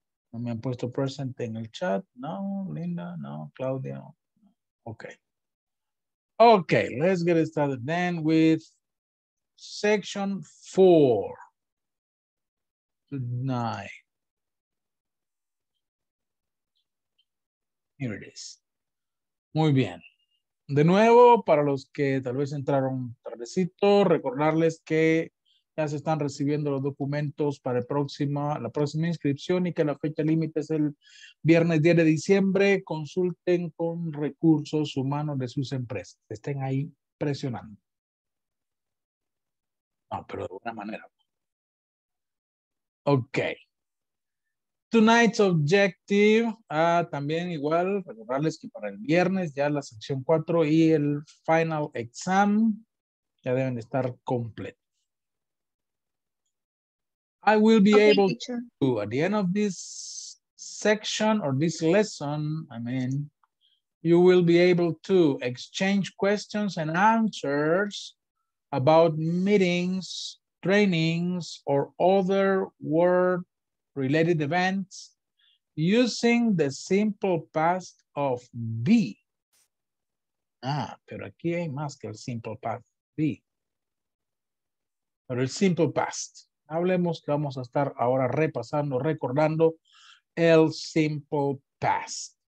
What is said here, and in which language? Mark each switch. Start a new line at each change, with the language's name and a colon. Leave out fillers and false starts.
Spanish: No me han puesto present en el chat. No, Linda, no, Claudia. Okay.
English: Okay, let's get started then with section 4 tonight. Here it is. Muy bien.
Spanish: De nuevo, para los que tal vez entraron tardecito, recordarles que ya se están recibiendo los documentos para la próxima inscripción y que la fecha límite es el viernes 10 de diciembre. Consulten con recursos humanos de sus empresas. Estén ahí presionando. No, pero de buena manera. Ok.
English: Tonight's objective,
Spanish: también igual, recordarles que para el viernes ya la sección 4 y el final exam ya deben estar completos.
English: I will be okay, able teacher. To, at the end of this section or this lesson, I mean, you will be able to exchange questions and answers about meetings, trainings, or other work-related events using the simple past of be.
Spanish: Ah, pero aquí hay más que el simple past, be. Pero el simple past. Hablemos que vamos a estar ahora repasando, recordando el simple past.